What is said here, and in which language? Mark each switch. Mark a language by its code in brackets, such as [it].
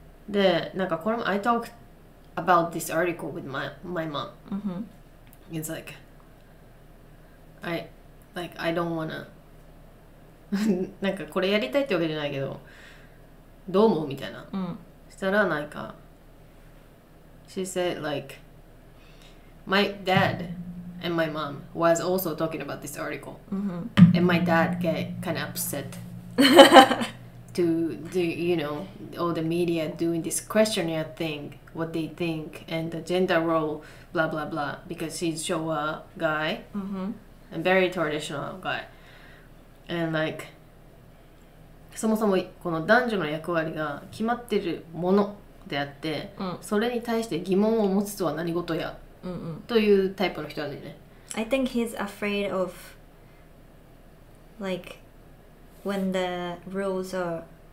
[ja] で、なんかこれも [en] I talked about this article with my mom、 mm-hmm. It's like Like, I don't wanna... [ja] なんかこれやりたいってわけじゃないけどどう思うみたいな、うん、したらなんか [en] She said like My dad and my mom was also talking about this article、うん、 And my dad get kind of upset to the, you know, all the media doing this questionnaire thing what they think and the gender role blah blah blah because he's Showa guy、うん And very traditional guy. And like, [ja] そもそもこの男女の役割が決まってるものであって、うん、それに対して疑問を持つとは何事や、うんうん、というタイプの人だね。 [en] I think he's afraid of like when the rules are